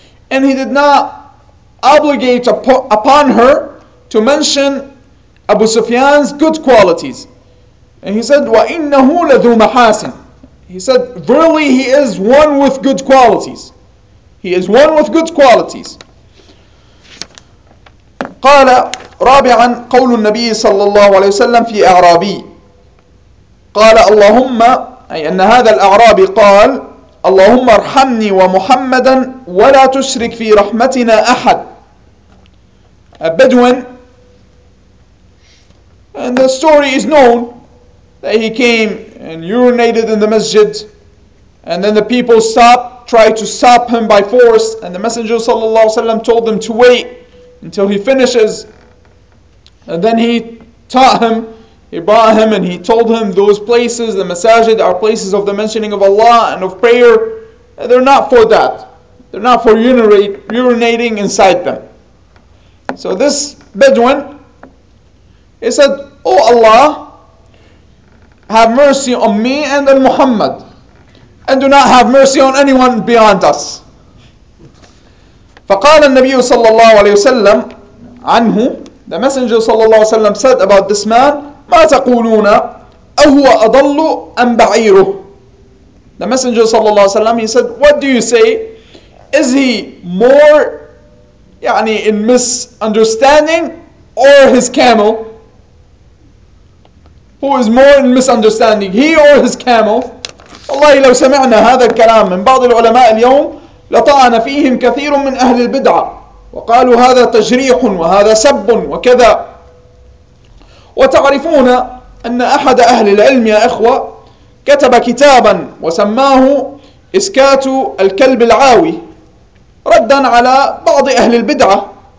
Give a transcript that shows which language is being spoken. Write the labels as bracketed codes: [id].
[en] And he did not obligate upon her to mention Abu Sufyan's good qualities. And he said, [ar] وَإِنَّهُ لَذُو مَحَاسِنٍ. [en] He said, verily he is one with good qualities. He is one with good qualities. [ar] قال رابعا قول النبي صلى الله عليه وسلم في أعرابي. قال اللهم, أي أن هذا الأعرابي قال, اللهم ارحمني ومحمدا ولا تشرك في رحمتنا أحد. [en] A Bedouin, and the story is known that he came and urinated in the masjid, and then the people stopped, tried to stop him by force, and the Messenger ﷺ told them to wait until he finishes, and then he taught him, he brought him and he told him those places, the masajid, are places of the mentioning of Allah and of prayer, and they're not for that, they're not for urinating inside them. So this Bedouin, he said, O Allah, have mercy on me and on Muhammad, and do not have mercy on anyone beyond us. [ar] فقال النبي صلى الله عليه وسلم عنه, [en] the Messenger صلى الله عليه وسلم said about this man, [ar] ما تقولون أهو أضل أم بعيره. [en] The Messenger صلى الله عليه وسلم, he said, what do you say? Is he more, يعني, in misunderstanding, or his camel? Who is more in misunderstanding, he or his camel? [ar] والله لو سمعنا هذا الكلام من بعض العلماء اليوم لطعن فيهم كثير من أهل البدعة وقالوا هذا تجريح وهذا سب وكذا. وتعرفون أن أحد أهل العلم يا إخوة كتب كتابا وسماه إسكات الكلب العاوي ردا على بعض أهل البدعة.